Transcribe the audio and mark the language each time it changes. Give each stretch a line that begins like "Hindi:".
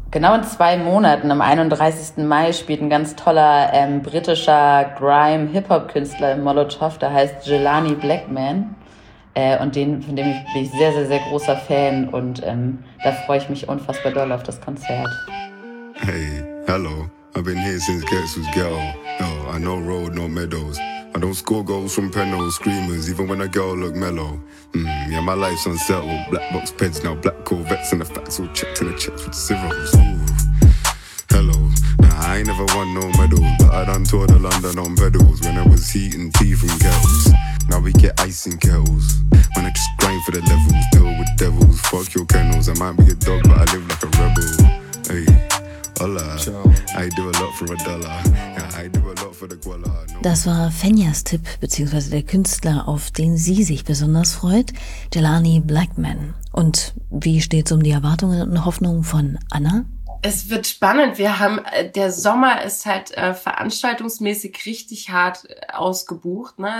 German: Genau in 2 Monaten, am 31. Mai, spielt ein ganz toller britischer Grime-Hip-Hop-Künstler im Molotow, der heißt Jelani Blackman. Und von dem bin ich sehr, sehr, sehr großer Fan und da freue ich mich unfassbar doll auf das Konzert.
English: Hey, hello, I've been here since Guess Who's Girl. No, I no road, no meadows. I don't score goals from penos, screamers, even when a girl look mellow. Yeah, my life's unsettled. Black box pens now, black Corvettes, and the facts all checked to the checks with zeros. Ooh, hello. Nah, I ain't never won no medals, but I done toured to London on pedals when I was heating tea from kettles. Now we get ice in kettles. When I just grind for the levels, deal with devils, fuck your kennels. I might be a dog, but I live like a rebel. Hey, hola. Ciao. I do a lot for a dollar. Yeah, I do a lot for the guala.
German: Das war Fenjas Tipp, beziehungsweise der Künstler, auf den sie sich besonders freut, Jelani Blackman. Und wie steht es um die Erwartungen und Hoffnungen von Anna? Es wird spannend. Der Sommer ist halt veranstaltungsmäßig richtig hart ausgebucht. Ne?